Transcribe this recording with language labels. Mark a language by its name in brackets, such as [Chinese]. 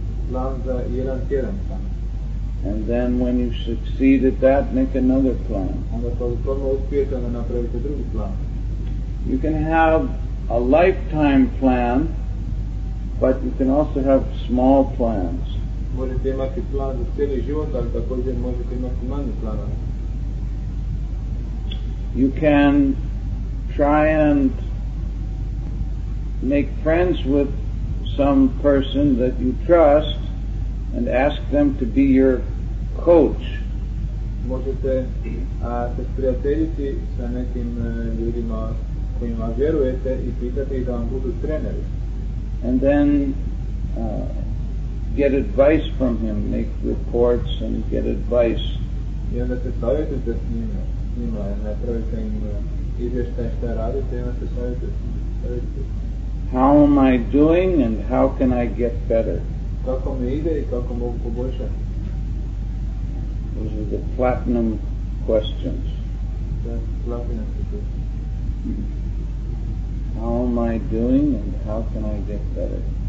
[Croatian] Plan za jedan tjedan samo. [English] And then when you succeed at that, make another plan. [Croatian] Onda kad u tome uspijete, onda napravite drugi plan. [English] You can have a lifetime plan, but you can also have small plans. [Croatian] Možete imati plan za cijeli život, ali također možete imati manje planove. [English] You can try and make friends with some person that you trust and ask them to be your coach. [Croatian] Možete se sprijateljiti sa nekim ljudima kojima vjerujete i pitati da vam budu treneri. [English] And then get advice from him, make reports and get advice. [Croatian] I onda se savjetujete s njima, napravite im izvještaj šta radite i onda se savjetujete. [English] How am I doing and how can I get better? [Croatian] Kako mi ide i kako mogu poboljšati? [English] Those are the platinum questions. Platinum questions. How am I doing and how can I get better?